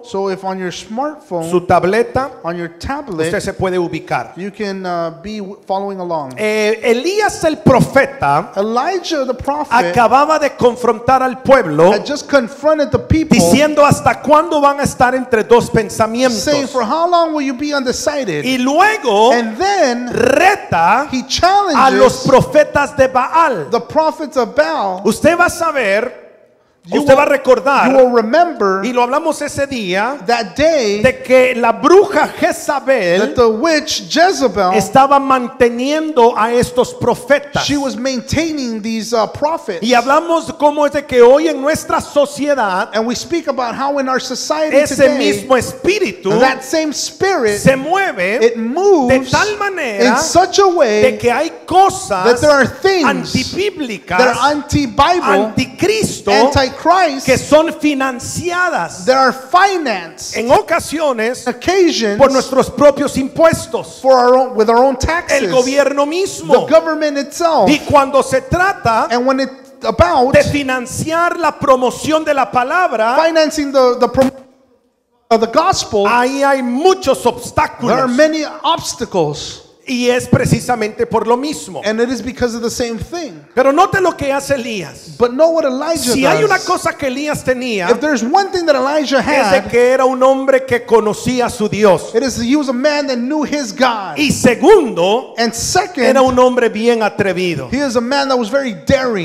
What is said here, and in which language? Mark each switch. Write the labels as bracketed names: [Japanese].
[English] so if on your smartphone, [Spanish] su tableta, [English] on your tablet, [Spanish] usted se puede ubicar. [English] You can be following along. [Spanish] Elías el profeta, [English] Elijah the prophet, [Spanish] acababa de confrontar al pueblo, [English] had just confronted the people, [Spanish] diciendo hasta cuándo van a estar entre dos pensamientos, [English] saying for how long will you be undecided. [Spanish] Y luego, [English] and then, [Spanish] reta, [English] he challenges [Spanish] a los profetas de Baal. [English] The prophets of Baal. [Spanish] Usted va a saber. Usted va a recordar. [English] You will remember. [Spanish] Y lo hablamos ese día. [English] That day. [Spanish] De que la bruja Jezabel. [English] That the witch Jezebel. [Spanish] Estaba manteniendo a estos profetas. [English] She was maintaining these prophets. [Spanish] Y hablamos cómo es de que hoy en nuestra sociedad. [English] And we speak about how in our society [Spanish] ese [English] today. [Spanish] Ese mismo espíritu. [English] That same spirit. [Spanish] Se mueve. [English] It moves. [Spanish] De tal manera. [English] In such a way. [Spanish] De que hay cosas. [English] That there are things. [Spanish] Antibíblicas. [English] That are anti-Bible. [Spanish] Anticristo. [English] Antichrist, [Spanish] que son financiadas, [English] that are financed, [Spanish] en ocasiones, [English] occasions, [Spanish] por nuestros propios impuestos, [English] for our own, with our own taxes, [Spanish] el gobierno mismo, [English] the government itself, [Spanish] y cuando se trata, [English] and when it about, [Spanish] de financiar la promoción de la palabra, [English] financing the promotion of the gospel, [Spanish] ahí hay muchos obstáculos, [English] there are many obstacles. [Spanish] Y es precisamente por lo mismo. [English] And it is because of the same thing. [Spanish] Pero note lo que hace Elías. [English] But know what Elijah [Spanish] si Si hay una cosa que Elías tenía, [English] if there's one thing that Elijah had, [Spanish] es de que era un hombre que conocía a su Dios. [English] It is he was a man that knew his God. [Spanish] Y segundo, [English] and second, [Spanish] era un hombre bien atrevido. [English] He is a man that was very daring.